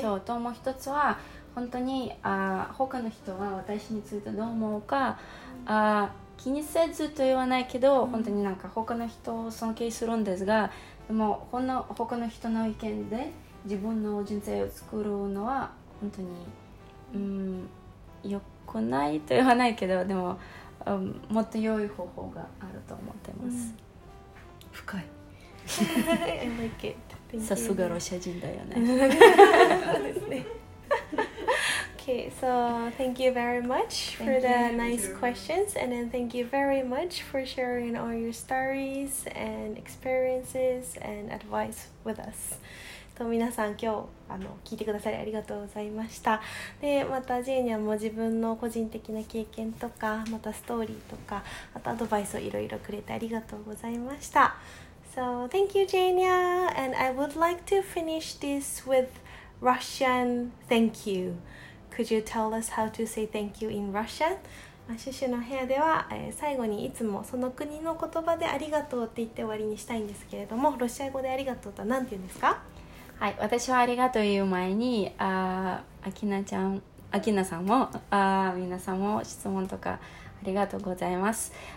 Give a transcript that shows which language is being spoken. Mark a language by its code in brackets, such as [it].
[ja] そう、ともう一つは本当に、他の人は私についてどう思うか、気にせずと言わないけど、本当になんか他の人を尊敬するんですが、でもほんの他の人の意見で自分の人生を作るのは本当に、よくないと言わないけど、でも、もっと良い方法があると思ってます、深い。 [en] I like it. Thank you. [ja] さすがロシア人だよね。 [en] Okay, so thank you very much for the nice questions, and then thank you very much for sharing all your stories and experiences and advice with us. [ja] と皆さん今日聞いてくださりありがとうございました。でまたジェーニャも自分の個人的な経験とか、またストーリーとか、あとアドバイスをいろいろくれてありがとうございました。 [en] So thank you, ジェーニャ, and I would like to finish this with Russian thank you. Could you tell us how to say thank you in Russian? [ja] シュシュの部屋では、最後にいつもその国の言葉でありがとうって言って終わりにしたいんですけれども、ロシア語でありがとうとは何て言うんですか？はい、私はありがとう言う前に、アキナちゃん、アキナさんも、皆さんも質問とかありがとうございます。